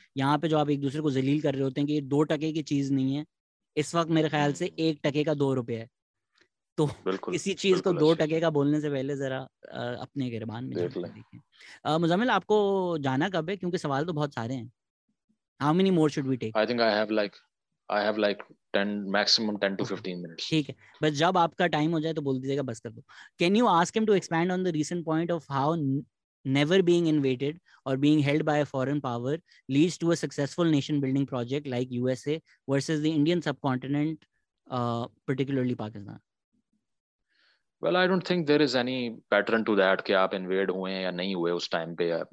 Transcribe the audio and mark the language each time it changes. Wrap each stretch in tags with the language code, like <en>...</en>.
<ur>یہاں پہ جو آپ ایک دوسرے کو ذلیل کر رہے ہوتے ہیں کہ 2% کی چیز نہیں ہے, اس وقت میرے خیال سے 1% کا 2 روپے ہے, تو کسی چیز کو 2% کا بولنے سے پہلے ذرا اپنے گربان میں دیکھیں. مزمل, آپ کو جانا کب ہے؟ کیونکہ سوال تو بہت سارے ہیں.</ur> <en>How many more should we take? I think I have like 10 maximum 10 to 15 minutes.</en> <ur>ٹھیک ہے, بس جب آپ کا ٹائم ہو جائے تو بول دیجیے گا, بس کر دو.</ur> <en>Can you ask him to expand on the recent point of how never being invaded or being held by a foreign power leads to a successful nation building project like USA versus the Indian subcontinent, particularly Pakistan? Well, I don't think there is any pattern to that</en> <ur>ke aap invade hue hain ya nahi hue us time pe.</ur>